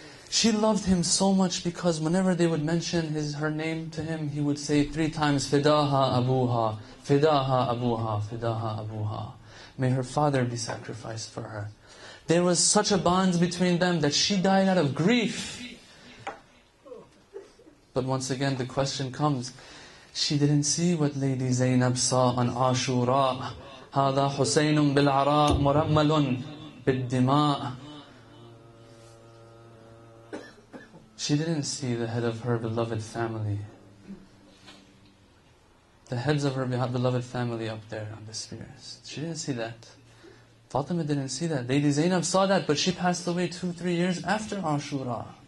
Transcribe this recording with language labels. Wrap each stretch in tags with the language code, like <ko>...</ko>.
<en>She loved him so much because whenever they would mention her name to him, he would say three times,</en> <ar>"Fidaha Abuha, Fidaha Abuha, Fidaha Abuha."</ar> <en>May her father be sacrificed for her. There was such a bond between them that she died out of grief. But once again, the question comes, she didn't see what Lady Zainab saw on Ashura.</en> <ar>هذا حسين بالعراء مرمل بالدماء.</ar> <en>She didn't see the head of her beloved family. The heads of her beloved family up there on the spears. She didn't see that. Fatima didn't see that. Lady Zainab saw that, but she passed away 2-3 years after Ashura.</en>